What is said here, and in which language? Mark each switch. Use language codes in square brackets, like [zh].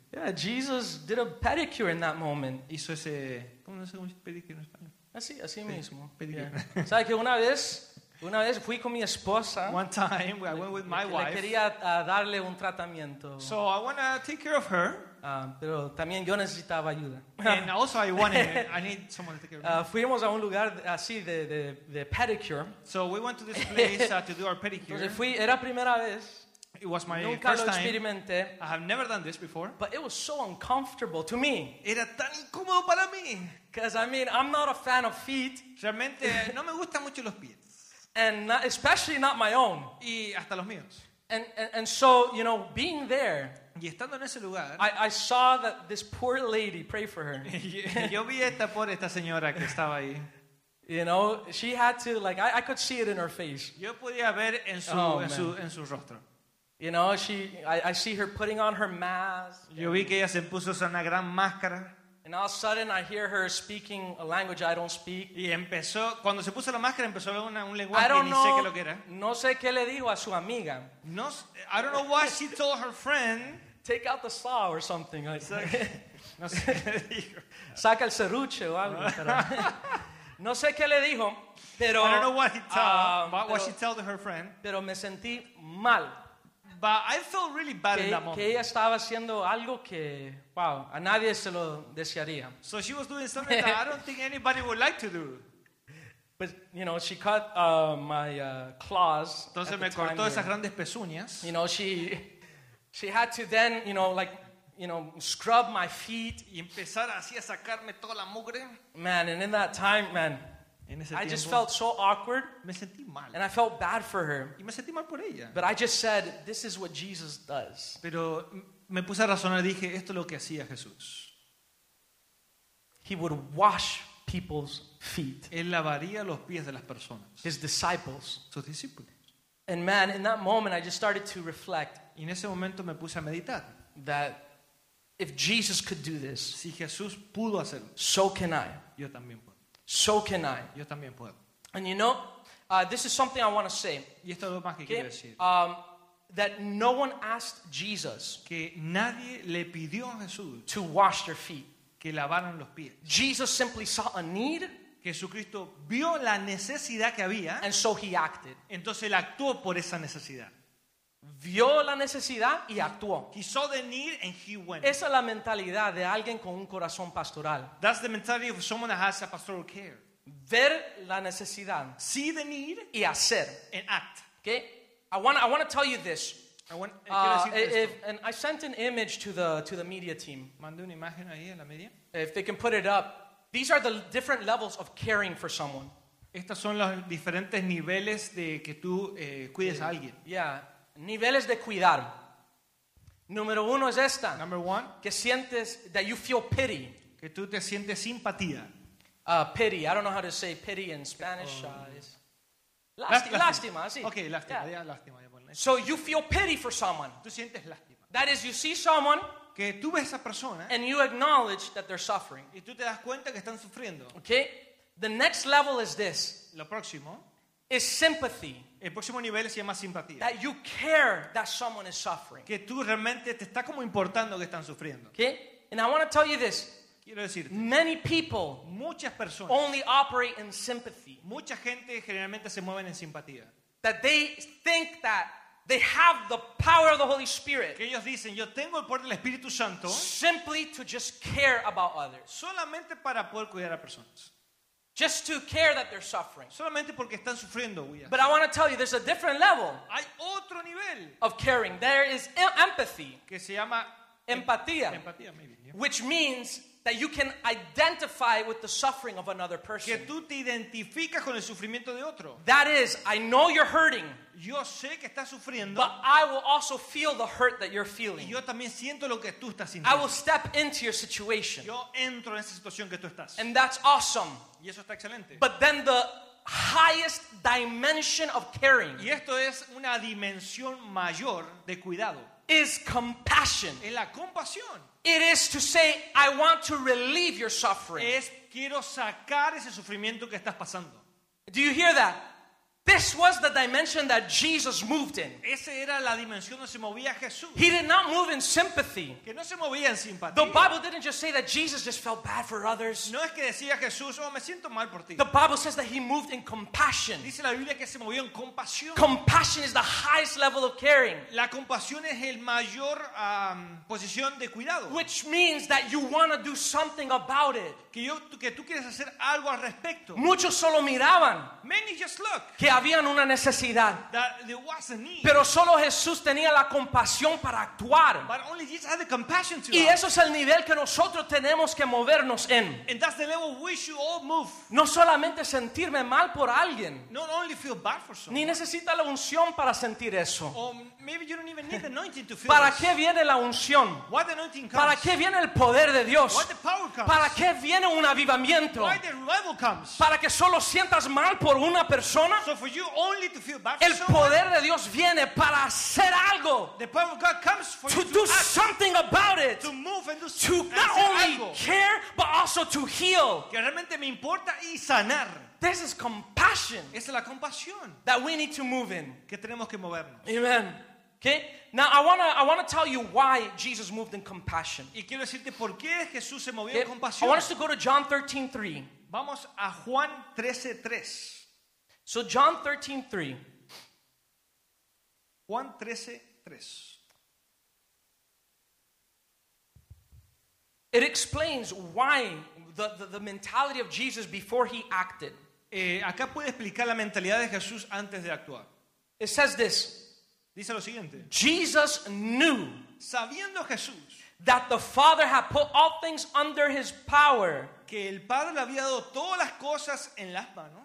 [en] Yeah, Jesus did a pedicure in that moment. [es] Hizo ese, ¿cómo se dice pedicure en español? Así mismo. [en] Pedicure. Yeah. [es] ¿Sabes que una vez fui con mi esposa? [en] One time I went with my wife. [es] Le quería darle un tratamiento. [en] So I want to take care of her. [es] Pero también yo necesitaba ayuda. [en] And also I need someone to take care of me. [es] Fuimos a un lugar así de pedicure. [en] So we went to this place to do our pedicure. [es] Entonces fui, era primera vez. [en] It was my [es] nunca [en] first [es] lo experimenté, [en] time. I have never done this before. But it was so uncomfortable to me. [es] Era tan incómodo para mí. [en] Because I mean, I'm not a fan of feet. [es] Realmente no me gustan mucho los pies. [en] And not, especially not my own. [es] Y hasta los míos. [en] And so, you know, being there, [es] y estando en ese lugar, [en] I saw that this poor lady, pray for her. [es] Yo vi esta pobre esta señora que estaba ahí. [en] You know, she had to, like, I could see it in her face. [es] Yo podía ver en su rostro. [en] You know, I see her putting on her mask. [es] Yo vi que ella se puso una gran máscara. [en] And all of a sudden, I hear her speaking a language I don't speak. [es] Y empezó, cuando se puso la máscara, empezó un lenguaje que ni sé qué lo que era. No sé qué le dijo a su amiga. [en] No, I don't know what she told her friend. Take out the saw or something. Like, [es] no sé qué le dijo. Saca el serrucho o algo. Pero, no sé qué le dijo, pero... [en] I don't know what he told, but what she told her friend. [es] Pero me sentí mal. [en] But I felt really bad [es] que, [en] in that moment. [es] Que ella estaba haciendo algo que, wow, a nadie se lo desearía. [en] So she was doing something that I don't think anybody would like to do. But, you know, she cut my claws. [es] Entonces me cortó esas grandes pezuñas. [en] You know, she had to then, you know, like, you know, scrub my feet. [es] Y empezar así a sacarme toda la mugre. [en] Man, and in that time, man, [es] tiempo, [en] I just felt so awkward. [es] Me sentí mal. [en] And I felt bad for her. [es] Y me sentí mal por ella. [en] But I just said, this is what Jesus does. [es] Pero me puse a razonar, dije, esto es lo que hacía Jesús. [en] He would wash people's feet. [es] Él lavaría los pies de las personas. [en] His disciples. [es] Sus discípulos. [en] And man, in that moment, I just started to reflect. [es] Y en ese momento me puse a meditar. [en] That if Jesus could do this, [es] si Jesús pudo hacerlo, [en] so can I. [es] Yo también puedo. [en] So can I. [es] Yo también puedo. [en] And you know, this is something I want to say. [es] Y esto es lo más que quiero decir. [en] That no one asked Jesus [es] que nadie le pidió a Jesús [en] to wash their feet. [es] Que lavaran los pies. [en] Jesus simply saw a need. [es] Jesucristo vio la necesidad que había. [en] And so he acted. [es] Entonces él actuó por esa necesidad. Vio la necesidad y actuó. [en] He saw the need and he went. [es] Esa es la mentalidad de alguien con un corazón pastoral. [en] That's the mentality of someone that has a pastoral care. [es] Ver la necesidad. [en] See the need. [es] Y hacer. [en] And act. Okay? I want to tell you this. I sent an image to the media team. [es] Mandé una imagen ahí en la media. [en] If they can put it up. These are the different levels of caring for someone. [es] Estos son los diferentes niveles de que tú cuides a alguien. Yeah. Niveles de cuidar. Número uno es esta. [en] Number one. [es] Que sientes, [en] that you feel pity. [es] Que tú te sientes simpatía. [en] Pity. I don't know how to say pity in Spanish. [es] Lástima, sí. Okay, lástima. Yeah. Lástima. [en] So you feel pity for someone. [es] Tú sientes lástima. [en] That is, you see someone. [es] Que tú ves a esa persona. [en] And you acknowledge that they're suffering. [es] Y tú te das cuenta que están sufriendo. [en] Okay. The next level is this. [es] Lo próximo. [en] Is sympathy. [es] El próximo nivel se llama simpatía. [en] That you care that someone is suffering. [es] Que tú realmente te está como importando que están sufriendo. [en] Okay? And I want to tell you this. [es] Quiero decirte. [en] Many people. [es] Muchas personas. [en] Only operate in sympathy. [es] Mucha gente generalmente se mueven en simpatía. [en] That they think that they have the power of the Holy Spirit. [es] Que ellos dicen, yo tengo el poder del Espíritu Santo. [en] Simply to just care about others. [es] Solamente para poder cuidar a personas. [en] Just to care that they're suffering. [es] Solamente porque están sufriendo, voy a [en] But I want to tell you, there's a different level. [es] Hay otro nivel. [en] Of caring. There is empathy. [es] Que se llama empatía. Empatía, maybe. Yeah. [en] Which means that you can identify with the suffering of another person. [es] Que tú te identificas con el sufrimiento de otro. [en] That is, I know you're hurting. [es] Yo sé que estás sufriendo. [en] But I will also feel the hurt that you're feeling. [es] Y yo también siento lo que tú estás sintiendo. [en] I will step into your situation. [es] Yo entro en esa situación que tú estás. [en] And that's awesome. [es] Y eso está excelente. [en] But then the highest dimension of caring. [es] Y esto es una dimensión mayor de cuidado. [en] is compassion. [es] Es la compasión. [en] It is to say, I want to relieve your suffering. [es] Es quiero sacar ese sufrimiento que estás pasando. [en] Do you hear that? This was the dimension that Jesus moved in. [es] Esa era la dimensión donde se movía Jesús. [en] He did not move in sympathy. [es] Que no se movía en simpatía. [en] The Bible didn't just say that Jesus just felt bad for others. [es] No es que decía Jesús, oh, me siento mal por ti. [en] The Bible says that he moved in compassion. [es] Dice la Biblia que se movió en compasión. [en] Compassion is the highest level of caring. [es] La compasión es el mayor posición de cuidado. [en] Which means that you want to do something about it. [es] Que tú quieres hacer algo al respecto. Muchos solo miraban. [en] Many just look. [es] Que habían una necesidad. [en] That there was a need. [es] Pero solo Jesús tenía la compasión para actuar. [en] But only Jesus had the compassion to [es] y eso es el nivel que nosotros tenemos que movernos en. [en] And that's the level we should all move. [es] No solamente sentirme mal por alguien. [en] Not only feel bad for someone. [es] Ni necesita la unción para sentir eso. [en] Maybe you don't even need the anointing to feel [es] ¿para [en] this? [es] ¿Qué viene la unción? [en] Why the anointing comes? [es] ¿Para qué viene el poder de Dios? [en] Why the power comes? [es] ¿Para qué viene un avivamiento? [en] Why the revival comes? [es] ¿Para que solo sientas mal por una persona? [en] So for you only to feel bad for [es] el poder de Dios viene para hacer algo. [en] The power of God comes for to you do to act, something about it. To move and do something. To not only [es] algo. [en] Care, but also to heal. [es] Que realmente me importa y sanar. [en] This is compassion. [es] Esa es la compasión. [en] That we need to move in. [es] Que tenemos que movernos. [en] Amen. Okay. Now I wanna tell you why Jesus moved in compassion. [es] Y quiero decirte por qué Jesús se movió en compasión. [en] I want us to go to John 13:3. [es] Vamos a Juan 13:3. [en] So John 13:3. [es] Juan 13:3. [en] It explains why the mentality of Jesus before he acted. [es] Acá puede explicar la mentalidad de Jesús antes de actuar. [en] It says this. [es] Dice lo siguiente. [en] Jesus knew, [es] sabiendo Jesús, [en] that the Father had put all things under his power, [es] que el Padre le había dado todas las cosas en las manos,